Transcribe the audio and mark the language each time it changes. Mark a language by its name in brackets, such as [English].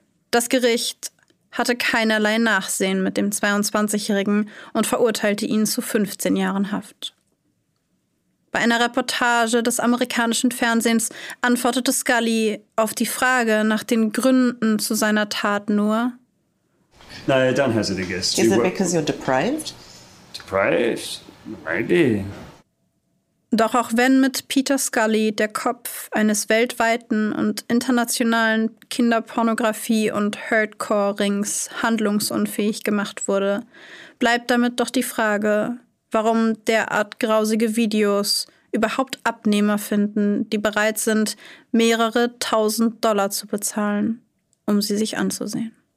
[German] Das Gericht hatte keinerlei Nachsehen mit dem 22-Jährigen und verurteilte ihn zu 15 Jahren Haft. Bei einer Reportage des amerikanischen Fernsehens antwortete Scully auf die Frage nach den Gründen zu seiner Tat nur: [English] No, I don't hesitate to guess. Is it because you're deprived? Deprived? Maybe. [German] Doch auch wenn mit Peter Scully der Kopf eines weltweiten und internationalen Kinderpornografie- und Hardcore-Rings handlungsunfähig gemacht wurde, bleibt damit doch die Frage, warum derart grausige Videos überhaupt Abnehmer finden, die bereit sind, mehrere tausend Dollar zu bezahlen, um sie sich anzusehen.